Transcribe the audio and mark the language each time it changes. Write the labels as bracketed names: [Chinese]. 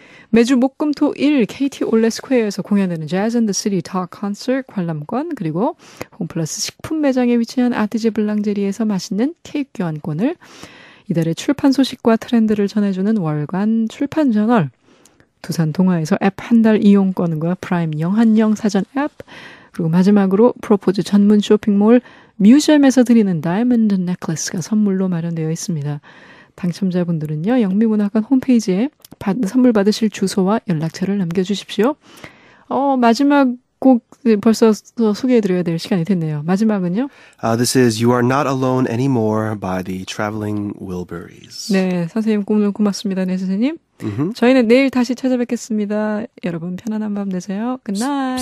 [Korean] 매주 목, 금, 토, 일 KT 올레 스퀘어에서 공연하는 Jazz in the City Talk Concert 관람권, 그리고 홈플러스 식품 매장에 위치한 아티제 블랑제리에서 맛있는 케이크 교환권을, 이달의 출판 소식과 트렌드를 전해주는 월간 출판 저널, 두산 동화에서 앱 한 달 이용권과 프라임 영한영 사전 앱, 그리고 마지막으로 프로포즈 전문 쇼핑몰 뮤지엄에서 드리는 다이아몬드 넥클레스가 선물로 마련되어 있습니다. 당첨자분들은요, 영미문학관 홈페이지에 선물 받으실 주소와 연락처를 남겨주십시오. 마지막 곡 벌써 소개해드려야 될 시간이 됐네요. 마지막은요? [English] This is You Are Not Alone Anymore by the Traveling Wilburys. [Korean] 네, 선생님 꿈을 고맙습니다. 네, 선생님. Mm-hmm. 저희는 내일 다시 찾아뵙겠습니다. 여러분 편안한 밤 되세요. [English] Good night.